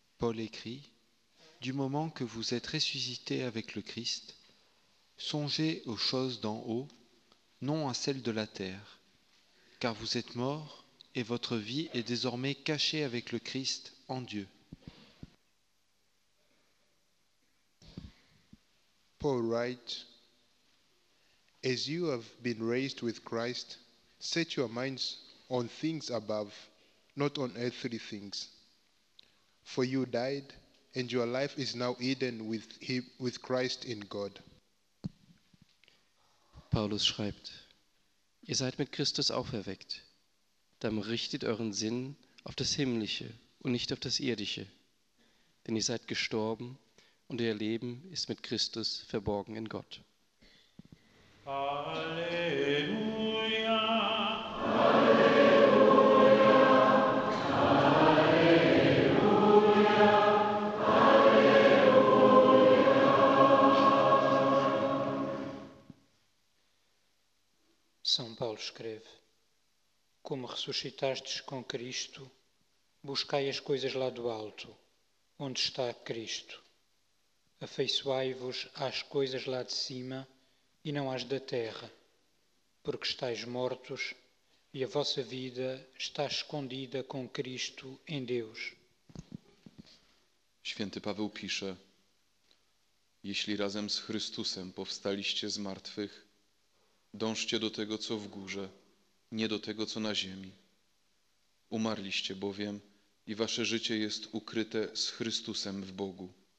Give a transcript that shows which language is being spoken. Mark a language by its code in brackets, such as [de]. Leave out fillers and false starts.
[fr] l'Esprit, du moment que vous êtes ressuscité avec le Christ, songez aux choses d'en haut, non à celles de la terre, car vous êtes mort et votre vie est désormais cachée avec le Christ en Dieu. [en] Paul writes, As you have been raised with Christ, set your minds on things above, not on earthly things. For you died, and your life is now hidden with Christ in God. [de] Paulus schreibt, Ihr seid mit Christus auferweckt. Dann richtet euren Sinn auf das Himmlische und nicht auf das Irdische. Denn ihr seid gestorben, und euer Leben ist mit Christus verborgen in Gott. Halleluja! [pt] São Paulo escreve, Como ressuscitastes com Cristo, buscai as coisas lá do alto, onde está Cristo. Afeiçoai-vos às coisas lá de cima e não às da terra, porque estáis mortos e a vossa vida está escondida com Cristo em Deus. [pl] Święty Paweł pisze, Jeśli razem z Chrystusem powstaliście z martwych, Dążcie do tego, co w górze, nie do tego, co na ziemi. Umarliście bowiem i wasze życie jest ukryte z Chrystusem w Bogu.